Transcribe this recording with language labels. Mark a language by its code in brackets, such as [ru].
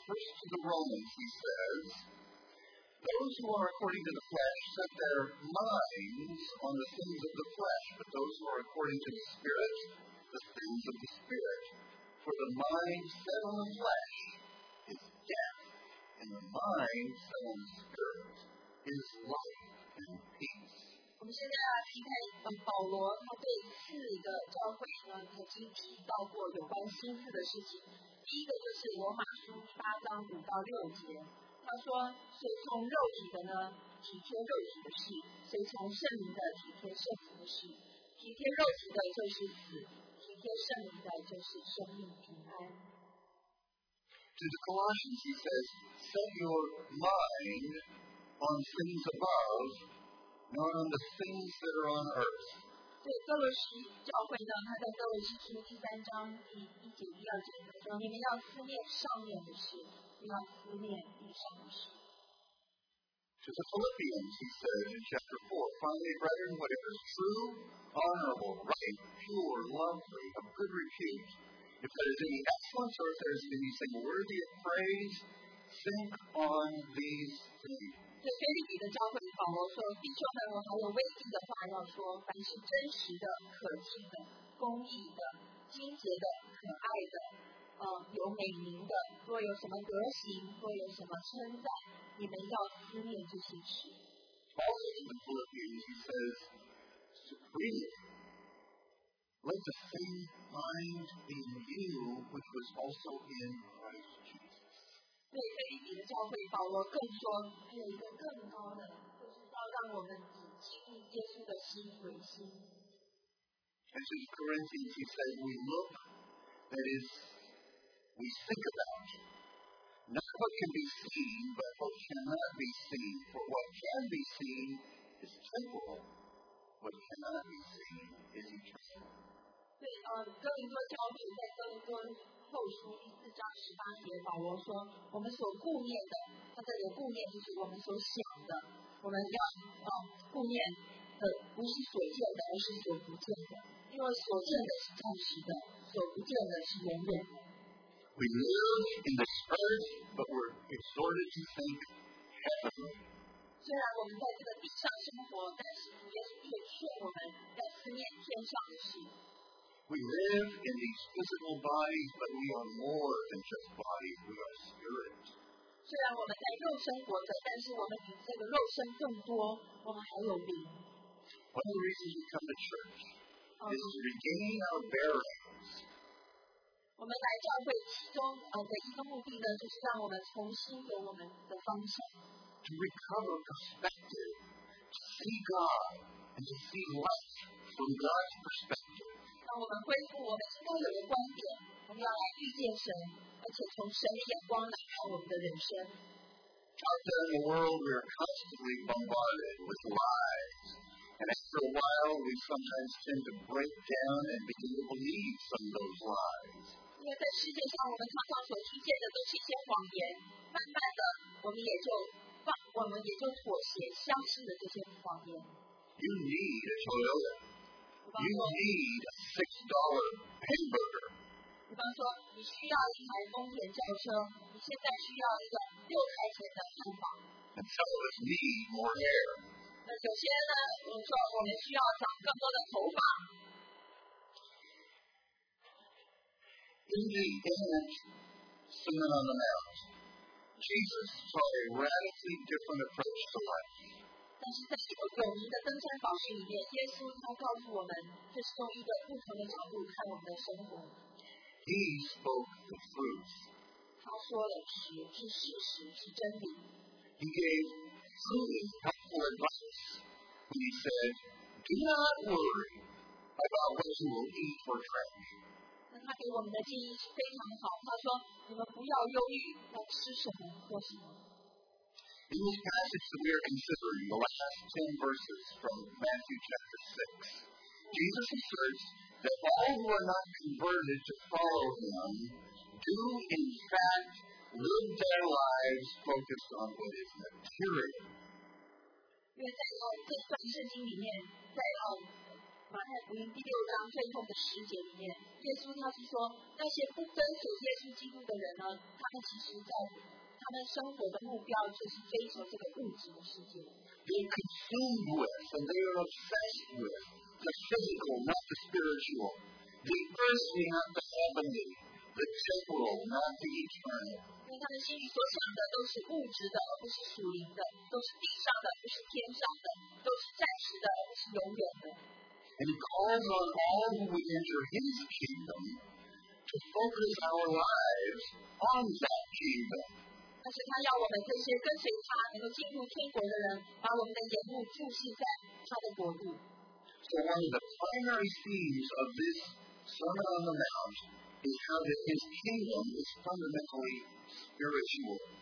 [en] First to the Romans, he says, "Those who are according to the flesh set their minds on the things of the flesh, but those who are according to the Spirit, the things of the Spirit. For the mind set on the flesh is death." And the mind set on the Spirit is life and peace. [zh] 我们现在来看看保罗他对四个教会呢曾经提到过有关心思的事情。第一个就是罗马书八章五到六节，他说谁从肉体的呢体贴肉体的事，谁从圣灵的体贴圣灵的事。体贴肉体的就是死，体贴圣灵的就是生命平安。 [en] To the Colossians, he says, set your mind on things above, not on the things that are on earth. [zh] 对哥罗西教会呢，他在哥罗西书第三章第一节说，你们要思念上面的事，不要思念地上的事。 [en] To the Philippians, he said in chapter 4, finally, brethren, whatever is true, honorable, right, pure, lovely, of good repute, if there is any excellence or if there is anything worthy of praise, think on these things. [zh] 对腓立比的教会保罗说，弟兄们，我还有未尽的话要说，凡是真实的、可敬的、公义的、清洁的、可爱的、有美名的，若有什么德行，若有什么称赞，你们要思念这些事。 [en] Also in the Philippians, he says, supreme, let the same mind in you, which was also in Christ Jesus. [zh] 对腓立比的教会，保罗更说，还有一个更高的，就是要让我们只记住耶稣的心为心。 [en] As in Corinthians, he said, we look, that is, we think about it. Not what can be seen, but what cannot be seen. For what can be seen is temporal. What cannot be seen is eternal. [zh] 对，哥林多教会在哥林多后书第四章十八节，保罗说，我们所顾念的，他这里的顾念就是我们所想的，我们要顾念的不是所见的，而是所不见的，因为所见的是暂时的，所不见的是永远的。 [en] We live in the spirit, but we're exhorted to think heavenly. [zh] 虽然我们在这个地上生活，但是也是劝我们要思念天上的事。 [en] We live in these physical bodies, but we are more than just bodies, we are spirits. [zh] 虽然我们在肉身活着，但是我们比这个肉身更多，我们还有灵。 [en] One of the reasons we come to church is to regain our bearings. [zh] 我们来教会其中的一个目的呢，就是让我们重新有我们的方向。 [en] To recover perspective, to see God, and to see life from God's perspective. [zh] 让我们恢复我们应该有的观点，我们要来遇见神，而且从神的眼光来看我们的人生。 [en] Out there in the world, we are constantly bombarded with lies, and after a while, we sometimes tend to break down and begin to believe some of those lies. [zh] 因为在世界上，我们常常所听见的都是一些谎言，慢慢的，我们也就妥协，相信了这些谎言。 [en] You need a Toyota. You need a $6 hamburger. [zh] 比方说，你需要一台丰田轿车，你现在需要一个六块钱的汉堡。 [en] And some of us need more hair. [zh] 那有些呢，我说我们需要长更多的头发。 [en] In the end, Sermon on the Mount, Jesus taught a radically different approach to life. [zh] 但是在这个有名的登山宝训里面，耶稣他告诉我们，这是从一个不同的角度看我们的生活。 [en] He spoke the truth. [zh] 他说了实，是事实，是真理。 [en] He gave truly helpful advice when he said, "Do not worry about what you will eat or drink." [zh] 那他给我们的建议是非常好。他说，你们不要忧虑要吃什么喝什么。 [en] In this passage that we are considering, the last 10 verses from Matthew chapter 6, Jesus asserts that all who are not converted to follow him do, in fact, live their lives focused on what is material. [zh] 因为在这段圣经里面，在马太福音第六章最后的十节里面，耶稣他是说，那些不跟随耶稣基督的人呢，他们其实在他们生活的目标就是追求这个物质的世界。 [en] They consumed with and they are obsessed with the physical, not the spiritual. The earthly, not the heavenly. The temporal, not the eternal. [zh] 因为他们心里所想的都是物质的，而不是属灵的；都是地上的，不是天上的；都是暂时的，而不是永远的。 [en] And he calls on all who would enter his kingdom to focus our lives on that kingdom. So one of the primary themes of this Sermon on the Mount is how that His kingdom is fundamentally spiritual.